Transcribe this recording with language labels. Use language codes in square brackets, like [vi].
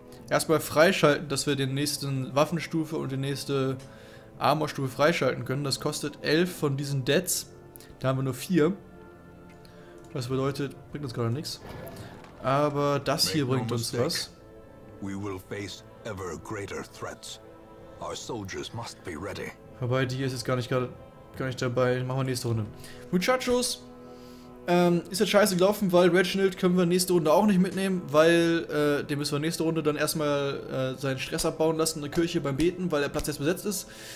[de] Erstmal freischalten, dass wir den nächsten Waffenstufe und die nächste Armorstufe freischalten können. Das kostet 11 von diesen Deads. Da haben wir nur 4. Das bedeutet, bringt uns gerade nichts. Aber das hier bringt uns was. [en] We will face ever greater threats. Our soldiers must be ready. [de] Wobei, die ist jetzt gar nicht dabei. Machen wir nächste Runde. Muchachos, ist jetzt scheiße gelaufen, weil Reginald können wir nächste Runde auch nicht mitnehmen, weil den müssen wir nächste Runde dann erstmal seinen Stress abbauen lassen in der Kirche beim Beten, weil der Platz jetzt besetzt ist.